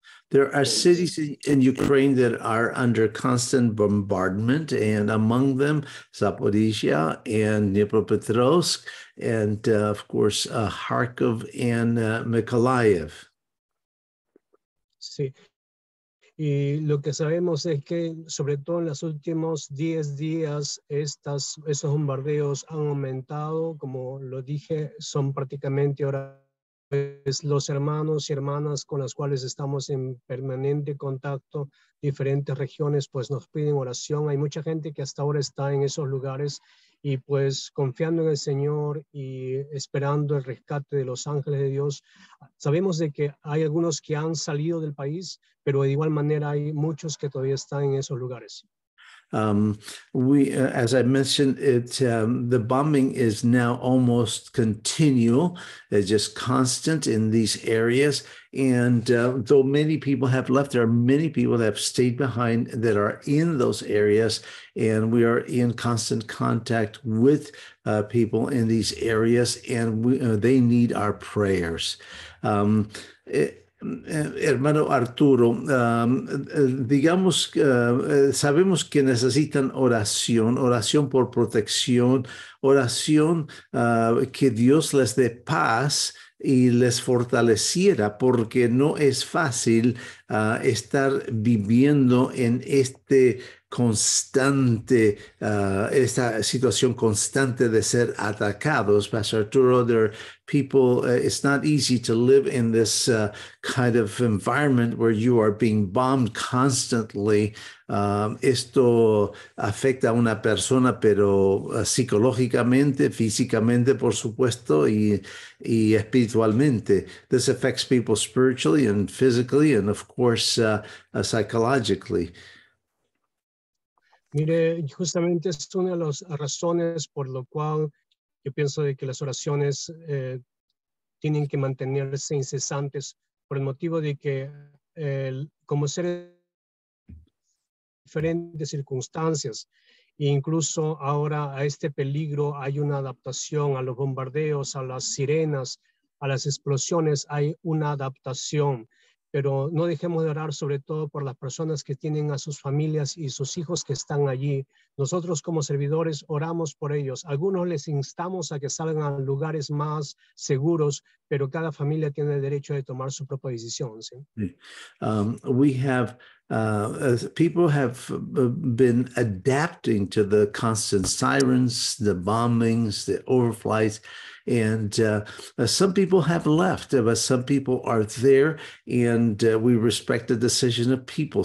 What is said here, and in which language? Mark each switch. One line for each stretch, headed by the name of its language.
English: There are cities in Ukraine that are under constant bombardment, and among them, Zaporizhia and Dnipropetrovsk, and of course, Kharkov and Mykolaiv.
Spanish: Sí. Y lo que sabemos es que, sobre todo en los últimos 10 días, esos bombardeos han aumentado. Como lo dije, son prácticamente ahora los hermanos y hermanas con las cuales estamos en permanente contacto, diferentes regiones, pues nos piden oración. Hay mucha gente que hasta ahora está en esos lugares y pues confiando en el Señor y esperando el rescate de los ángeles de Dios. Sabemos de que hay algunos que han salido del país, pero de igual manera hay muchos que todavía están en esos lugares.
English: As I mentioned, the bombing is now almost continual, just constant in these areas. And though many people have left, there are many people that have stayed behind that are in those areas. And we are in constant contact with people in these areas, and they need our prayers.
Spanish: Hermano Arturo, digamos, sabemos que necesitan oración, oración por protección, oración que Dios les dé paz y les fortaleciera, porque no es fácil estar viviendo en este constante, esta situación constante de ser atacados.
English: Pastor Arturo, there are people, it's not easy to live in this kind of environment where you are being bombed constantly.
Spanish: Esto afecta a una persona, pero psicológicamente, físicamente, por supuesto, y espiritualmente.
English: This affects people spiritually and physically, and of course, psychologically.
Spanish: Mire, justamente es una de las razones por lo cual yo pienso de que las oraciones tienen que mantenerse incesantes, por el motivo de que como seres diferentes circunstancias, e incluso ahora a este peligro hay una adaptación a los bombardeos, a las sirenas, a las explosiones, hay una adaptación. Pero no dejemos de orar sobre todo por las personas que tienen a sus familias y sus hijos que están allí. Nosotros como servidores oramos por ellos. Algunos les instamos a que salgan a lugares más seguros, pero cada familia tiene el derecho de tomar su propia decisión. ¿Sí?
English: We have people have been adapting to the constant sirens, the bombings, the overflights. And some people have left, but some people are there, and we respect the decision of people.